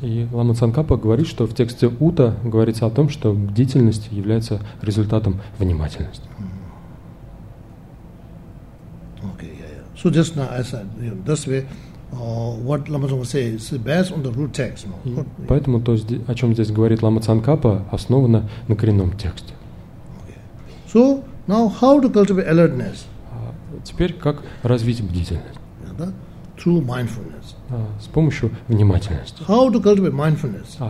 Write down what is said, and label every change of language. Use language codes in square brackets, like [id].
[ru] И Лама Цанкапа говорит, что в тексте Ута говорится о том, что бдительность является результатом внимательности. [en] Okay, yeah. So just now I said, you know, this way, what Lama Tsongkhapa says is based on the root text. [ru] И поэтому то, о чем здесь говорит Лама Цанкапа, основано на коренном тексте. [en] Okay. So now how to cultivate alertness? [ru] Теперь как развить бдительность? [en] Yeah, да? Through mindfulness. [ru] С помощью внимательности. [en] How to cultivate mindfulness?